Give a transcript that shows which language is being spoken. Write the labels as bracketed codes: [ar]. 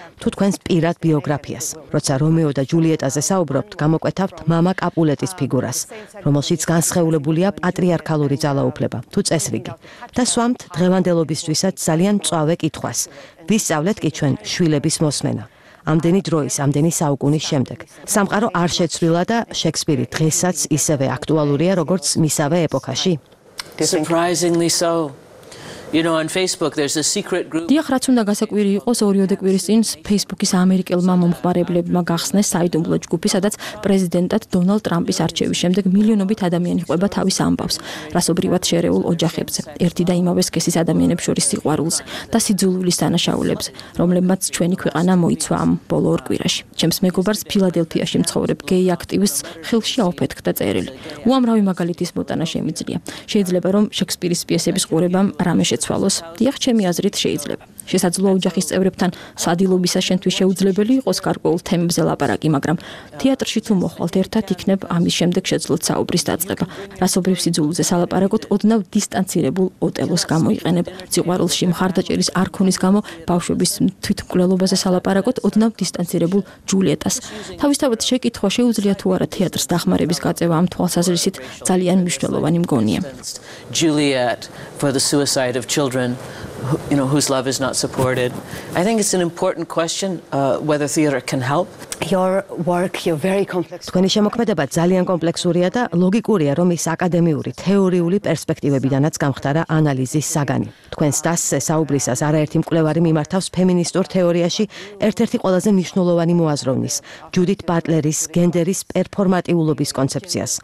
[ka] თუ თქვენს პირად ბიოგრაფიას, როცა რომეო და ჯულიეტაზე საუბრობთ, გამოკვეთავთ მამა კაპულეტის ფიგურას, რომელშიც განსხეულებულია პატრიარქალური ძალაუფლება, თუ წესრიგი. Და სვამთ დღევანდელობისთვისაც ძალიან მწვავე კითხვას. ვისწავლეთ კი ჩვენ შვილების მოსმენა? ამდენი დროის, ამდენი საუკუნის შემდეგ. სამყარო არ შეცვლილა და შექსპირი დღესაც ისევე აქტუალურია, როგორც მისავე ეპოქაში. [en] Surprisingly so. You know, on Facebook there's a secret group. [ka] დიახ, რაც უნდა გასაკვირი იყოს, ორიოდე კვირის წინ Facebook-ის ამერიკელმა მომხმარებლებმა გახსნეს საიდუმლო ჯგუფი, სადაც პრეზიდენტად დონალდ ტრამპის არჩევის შემდეგ მილიონობით ადამიანი ყვება თავის ამბავს, რასობრივად შერეულ ოჯახებზე, ერთი და იმავე სქესის ადამიანებს შორის სიყვარულზე და სიძულვილის დანაშაულებზე, რომლებმაც ჩვენი ქვეყანა მოიცვა ამ ბოლო ორ კვირაში. ჩემს მეგობარს ფილადელფიაში მცხოვრებ გეი აქტივისტს ხელში აუფეთქდა წერილი. უამრავი მაგალითის მოტანა შემიძლია. შეიძლება რომ შექსპირის პიესების ყურებამ რამე შეცვალოს. დიახ, ჩემი აზრით შეიძლება. შესაძლოა ოჯახის წევრებთან სადილობისას შენთვის შეუძლებელი იყოს გარკვეულ თემებზე ლაპარაკი, მაგრამ თეატრში თუ მოხვალთ, ერთად იქნებ ამის შემდეგ შეძლოთ საუბრის დაწყება. რასობრივ სიძულზე სალაპარაკოთ, ოდნავ დისტანცირებულ ოტელოს გამოიყენებ. სიყვარულში მხარდაჭერის არქონის გამო ბავშვების თვითმკვლელობაზე სალაპარაკოთ, ოდნავ დისტანცირებულ ჯულიეტას. თავისთავად შეკითხვა, შეუძლია თუ არა თეატრს დახმარების გაწევა ამ თვალსაზრისით, ძალიან მნიშვნელოვანი მგონია. [en] Juliet for the suicide of children, you know, whose love is not supported. I think it's an important question whether theater can help. Your work, you're very complex. [ka] თქვენი შემოქმედება ძალიან კომპლექსურია და ლოგიკურია, რომ ის აკადემიური, თეორიული პერსპექტივებიდანაც გამხდარა ანალიზის საგანი. თქვენს დასზე საუბრისას არაერთი მკვლევარი მიმართავს ფემინისტურ თეორიაში ერთ-ერთი ყველაზე მნიშვნელოვანი მოაზროვნის, ჯუდით ბატლერის გენდერის პერფორმატიულობის კონცეფციას.